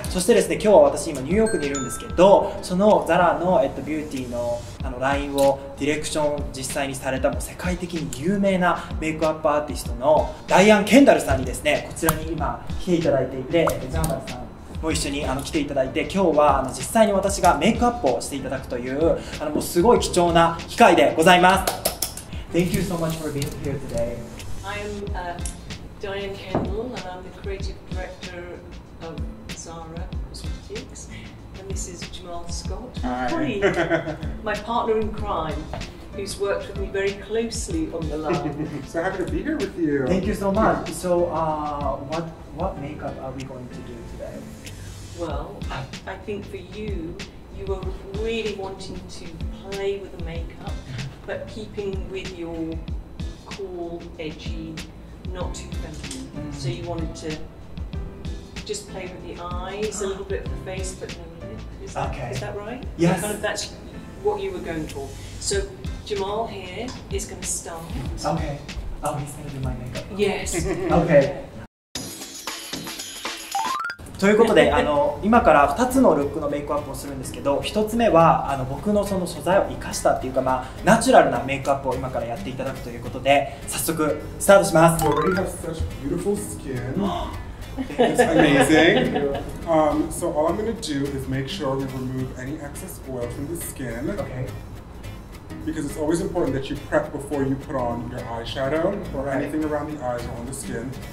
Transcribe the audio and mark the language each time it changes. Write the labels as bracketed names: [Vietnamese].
[Japanese] そしてですね、今日は私今ニューヨークにいるんですけど、そのザラの、ビューティーのラインをディレクション実際にされた、もう世界的に有名なメイクアップアーティストのダイアン・ケンダルさんにですね、こちらに今来ていただいていて、ジャンバルさんも一緒に来ていただいて、今日は実際に私がメイクアップをしていただくというもうすごい貴重な機会でございます。 [English] Thank you so much for being here today. I'm Diane Kendall and I'm the creative director of Zara Cosmetics and this is Jamal Scott. Hi. My partner in crime who's worked with me very closely on the line. So happy to be here with you. Thank you so much. So what makeup are we going to do today? Well, I think for you, you were really wanting to play with the makeup, but keeping with your cool, edgy, not too feminine. So you wanted to just play with the eyes, a little bit of the face, but no lip. Is that right? Yes. Kind of that's what you were going for. So Jamal here is going to start. Okay. Oh, he's going to do my makeup. Yes. Okay. [Japanese] ということで今から2つのルックのメイクアップをするんですけど、1つ目は僕のその素材を生かしたっていうか、まあナチュラルなメイクアップを今からやっていただくということで、早速スタートします。 [English] You already have such beautiful skin. It's amazing. So all I'm gonna do is make sure we remove any excess oil from the skin. Okay. Because it's always important that you prep before you put on your eyeshadow or anything around the eyes or on the skin.